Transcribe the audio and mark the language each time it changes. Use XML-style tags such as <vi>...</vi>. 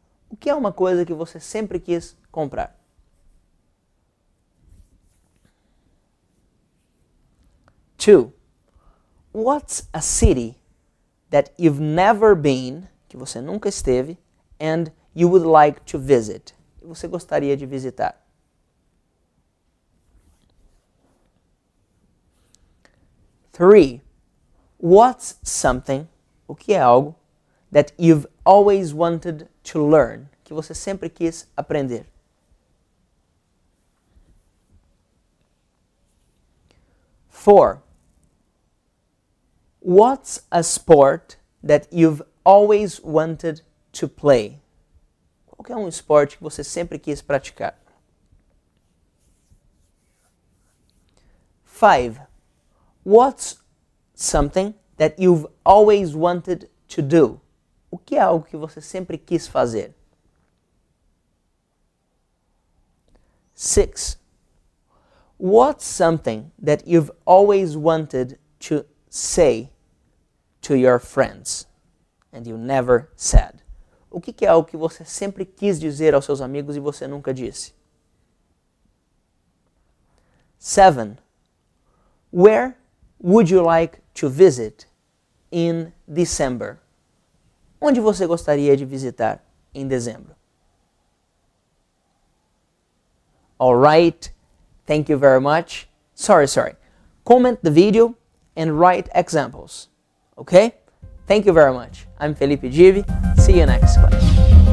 <pt>O que é uma coisa que você sempre quis comprar?</pt> <en>Two, what's a city that you've never been,</en> <pt>que você nunca esteve,</pt> <en>and you would like to visit?</en> <pt>E você gostaria de visitar?</pt> <en>Three, what's something,</en> <pt>o que é algo,</pt> <en>that you've always wanted to learn,</en> <pt>que você sempre quis aprender?</pt> <en>Four, what's a sport that you've always wanted to play?</en> <pt>Qual que é um esporte que você sempre quis praticar?</pt> <en>Five, what's something that you've always wanted to do?</en> <pt>O que é algo que você sempre quis fazer?</pt> <en>Six, what's something that you've always wanted to say to your friends and you never said?</en> <pt>O que é algo que você sempre quis dizer aos seus amigos e você nunca disse?</pt> <en>Seven, where would you like to visit in December?</en> <pt>Onde você gostaria de visitar em dezembro?</pt> <en>All right, thank you very much. Sorry. Comment the video and write examples. Okay? Thank you very much. I'm Felipe Givi. See you next class.</en>